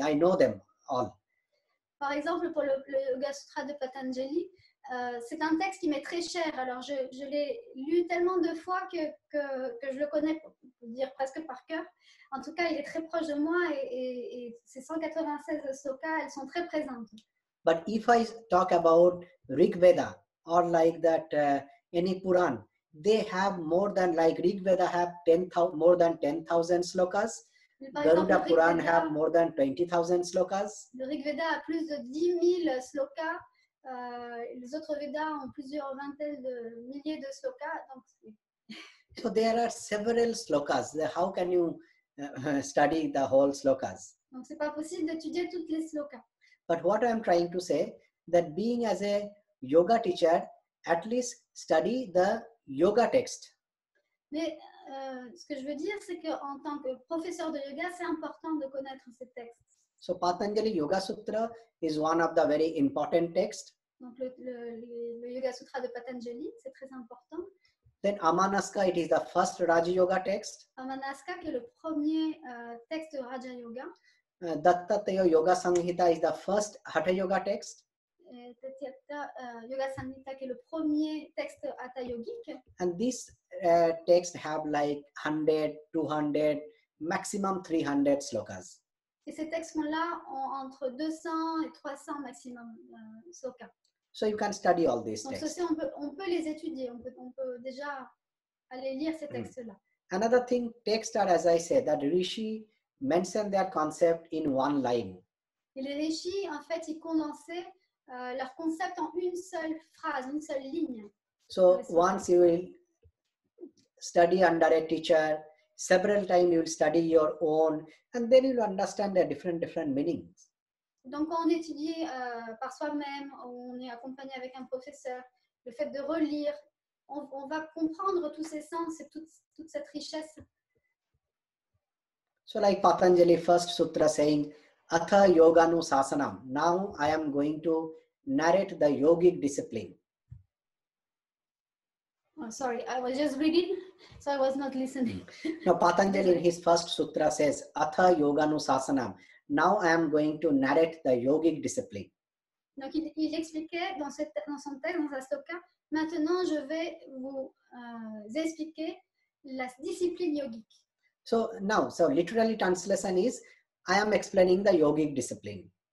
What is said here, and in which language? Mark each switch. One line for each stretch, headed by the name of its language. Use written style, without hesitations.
English: I know them all.
French: Par exemple, pour le Yoga Sutra de Patanjali, c'est un texte qui m'est très cher. Alors, je l'ai lu tellement de fois que je le connais, pour dire presque par cœur. En tout cas, il est très proche de moi et ces 196 slokas, elles sont très présentes.
English: But if I talk about Rig Veda or like that any Puran, they have more than like Rig Veda have 10,000 slokas. Garuda Puran have more than 20,000 slokas.
French: Le Rig Veda a plus de 10 000 slokas. Les autres Vedas ont plusieurs vingtaines de milliers de slokas. Donc...
English: So there are several slokas. How can you study the whole slokas?
French: Donc c'est pas possible d'étudier toutes les slokas.
English: But what I'm trying to say, that being as a yoga teacher, at least study the yoga text.
French: Mais ce que je veux dire, c'est qu'en tant que professeur de yoga, c'est important de connaître ces textes.
English: So Patanjali Yoga Sutra is one of the very important texts.
French: Donc le Yoga Sutra de Patanjali, c'est très important.
English: Then Amanaska, it is the first Raja Yoga text.
French: Amanaska, qui est le premier texte de Raja Yoga.
English: Dattatreya Yoga Samhita is the first Hatha Yoga text.
French: Yoga Samhita, qui est le premier texte Hatha Yogique.
English: And this text have like 100, 200, maximum 300 slokas.
French: Et ces textes-là ont entre 200 et 300 maximum slokas.
English: So you can study all these
French: donc,
English: texts.
French: Donc, on peut les étudier. On peut déjà aller lire ces textes-là.
English: Another thing, texts are, as I said, that Rishi mentioned their concept in one line.
French: Et les Rishis, en fait, ils condensaient leur concept en une seule phrase, une seule ligne.
English: So once you will study under a teacher, several times you will study your own, and then you will understand their different meanings.
French: Donc quand on étudie par soi-même, on est accompagné avec un professeur, le fait de relire, on va comprendre tous ces sens et toute cette richesse.
English: So like Patanjali first sutra saying, Atha Yoganu Sasanam. Now I am going to narrate the yogic discipline. Sorry, I was just reading, so I was not listening. Now Patanjali in his first sutra says, Atha Yoganu Sasanam. Now I am going to narrate the yogic discipline.
French: Donc il expliquait dans son texte, dans sa sloka, maintenant je vais vous expliquer la discipline yogique.
English: So literally translation is, I am explaining the yogic discipline.